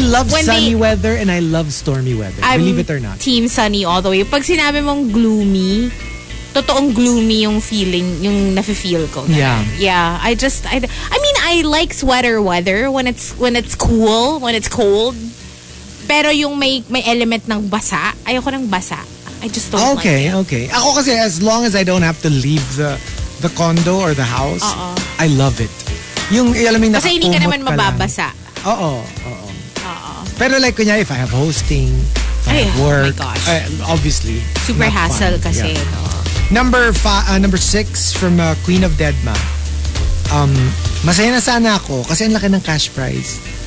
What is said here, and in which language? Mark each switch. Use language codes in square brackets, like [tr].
[en] love sunny weather and I love stormy weather. I'm believe it or not. Team sunny all the way. [tl] Pag sinabi mong gloomy, totoong gloomy yung feeling, yung nafe-feel ko. [en] Na. Yeah. Yeah. I mean, I like sweater weather when it's cold. [tl] Pero yung may element ng basa, ayoko ng basa. [en] I just don't like it. Okay, okay. [tl] Ako kasi [en] as long as I don't have to leave the condo or the house, uh-oh, I love it. [tl] Yung, alam mo, kasi hindi ka naman mababasa. Oo. Pero like, kunya, [en] if I have hosting, if I have work. Oh my gosh. Obviously. Super hassle Kasi. Yeah. Number six from Queen of Deadma. [tl] Masaya na sana ako kasi ang laki ng cash prize.